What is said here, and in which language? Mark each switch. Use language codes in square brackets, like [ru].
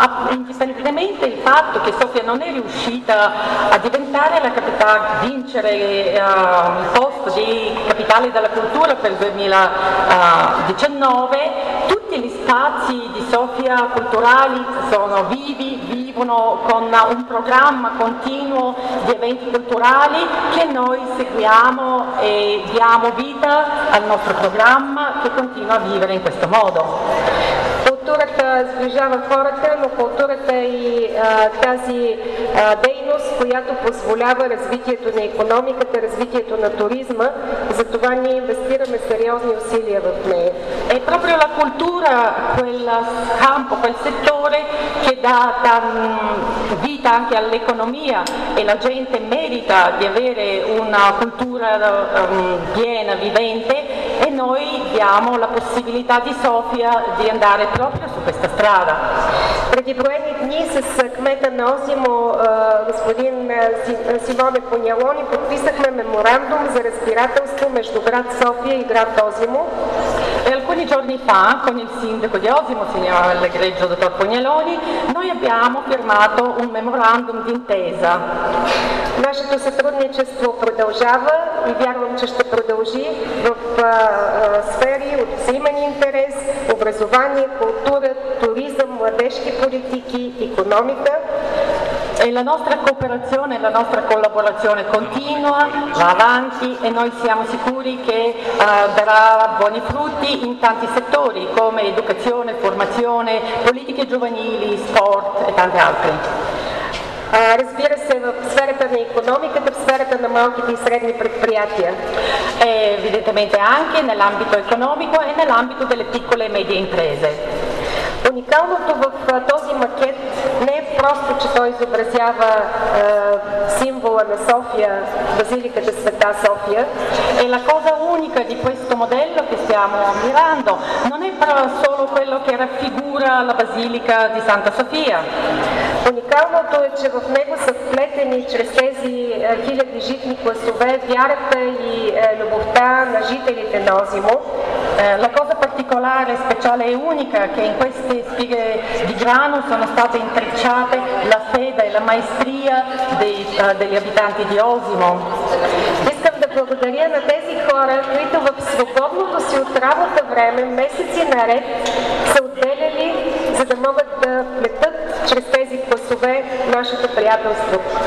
[it] Indipendentemente il fatto che Sofia non è riuscita a diventare la capitale, vincere il posto di capitale della cultura per il 2019, tutti gli spazi di Sofia culturali sono vivi, vivono con un programma continuo di eventi culturali che noi seguiamo e diamo vita al nostro programma che continua a vivere in questo modo. [bg] Културата сближава хората, но културата и тази дейност която позволява развитието на икономиката, развитието на туризма, затова ние инвестираме сериозни усилия в нея. [it] È proprio la cultura, quel campo, quel settore che dà vita anche all'economia e la gente merita di avere una cultura piena, vivente e noi diamo la possibilità di Sofia di andare proprio su questa strada. [bg] Преди броени дни с кмета на Осимо, господин Симоне Понялони, подписахме меморандум за разбирателство между град София и град Осимо. [it] E alcuni giorni fa, con il sindaco di Osimo, signor Allegreggio, dottor Pognaloni, noi abbiamo firmato un memorandum d'intesa. [bg] Нашето сътрудничество продължава и вярвам, че ще продължи в сфери от взаимен интерес, образование, култура, туризъм, младежки политики, икономика. [it] E la nostra cooperazione, la nostra collaborazione continua, va avanti e noi siamo sicuri che darà buoni frutti in tanti settori come educazione, formazione, politiche giovanili, sport e tante altre. [bg] Разбира се, в сферата на економиката, в сферата на малките и средни предприятия. [it] Evidentemente anche nell'ambito economico e nell'ambito delle piccole e medie imprese. [bg] Уникалното в този макет не е просто, че той изобразява символа на София, базиликата Света София. [it] E la cosa unica di questo modello che stiamo ammirando non è solo quello che raffigura la basilica di Santa Sofia. [bg] Уникалното е, че в него са вплетени чрез тези хиляди житни класове вярата и любовта на жителите на Осимо. [it] La cosa particolare, speciale e unica che in queste spighe di grano sono state intrecciate la fede e la maestria degli abitanti di Osimo. [bg] Благодаря на тези хора, които в свободното си от работа време, месеци наред, са отделяли, за да могат да плетат чрез тези класове нашето приятелство.